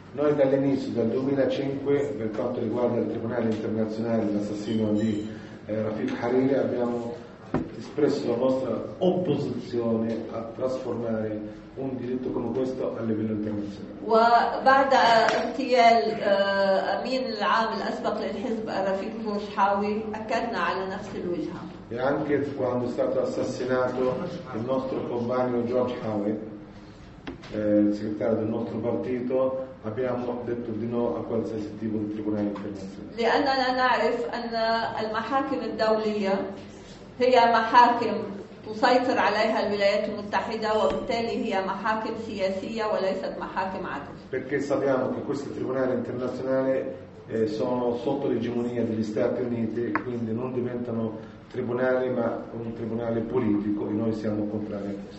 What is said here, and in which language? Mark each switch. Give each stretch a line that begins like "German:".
Italian: Noi dall'inizio dal 2005 per quanto riguarda il tribunale internazionale dell'assassino di Rafik Hariri abbiamo espresso la nostra opposizione a trasformare un diritto come questo a livello internazionale.
Arabic: وبعد اغتيال امين العام الاسبق للحزب رفيق مرشحاوي اكدنا على نفس الوجهه.
Italian: E anche quando è stato assassinato il nostro compagno George Howe, il segretario del nostro partito, abbiamo detto di no a qualsiasi tipo di tribunale internazionale.
Arabic: هي محاكم تسيطر عليها الولايات المتحدة وبالتالي هي محاكم سياسية وليست محاكم عدل.
Italian: Perché sappiamo che questi tribunali internazionali sono sotto l'egemonia degli Stati Uniti, quindi non diventano tribunali ma un tribunale politico e noi siamo contrari.